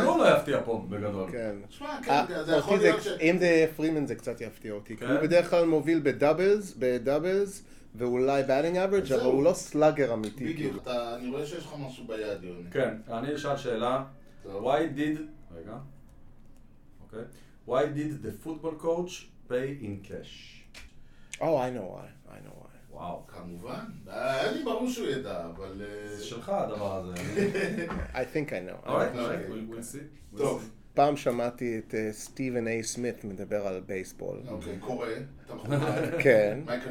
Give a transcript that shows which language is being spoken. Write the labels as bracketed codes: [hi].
[he] כי הוא לא יפתיע פה בגדול. כן. תשמע, כן, זה יכול להיות ש... אם זה פרימן זה קצת יפתיע אותי. כן. הוא בדרך כלל מוביל בדאבלס, בדאבלס, ואולי באטינג אברג', אבל הוא לא סלאגר אמיתי. בדיוק, אני רואה שיש לך משהו ביד, יוני. כן, אני אשאל שאלה. [en] Why did... [he] רגע. אוקיי. [en] Why did the football coach pay in cash? Oh, I know why. I know why. [he] וואו, כמובן, אין לי ברור שהוא ידע, אבל... זה שלך הדבר הזה. [en] I think I know. All right, we'll see. [he] טוב. פעם שמעתי את סטיבן איי סמית מדבר על בייסבול. אוקיי, קורא. כן.